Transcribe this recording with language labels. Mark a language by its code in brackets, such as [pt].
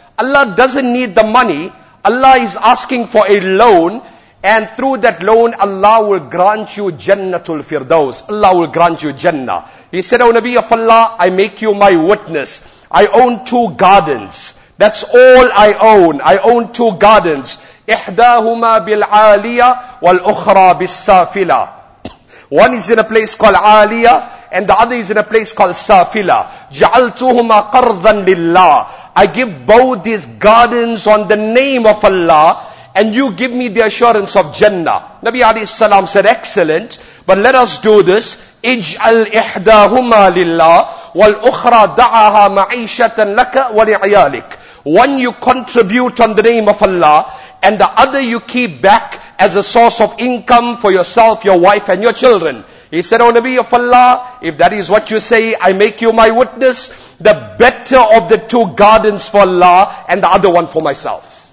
[en] Allah doesn't need the money. Allah is asking for a loan, and through that loan Allah will grant you jannatul firdaus. Allah will grant you jannah. He said, "Oh Nabi of Allah, I make you my witness. I own two gardens. That's all I own. I own two gardens. [ar] إحداهما بالعالية والأخرى بالسافلة. [en] One is in a place called عالية and the other is in a place called سافلة. [ar] جعلتهما قرضا لله. [en] I give both these gardens on the name of Allah and you give me the assurance of Jannah." Nabi [ar] عليه السلام [en] said, "Excellent, but let us do this. [ar] اجعل إحداهما لله والأخرى دعها معيشة لك ولعيالك." [en] One you contribute on the name of Allah and the other you keep back as a source of income for yourself, your wife and your children. He said, "Oh Nabi of Allah, if that is what you say, I make you my witness, the better of the two gardens for Allah and the other one for myself.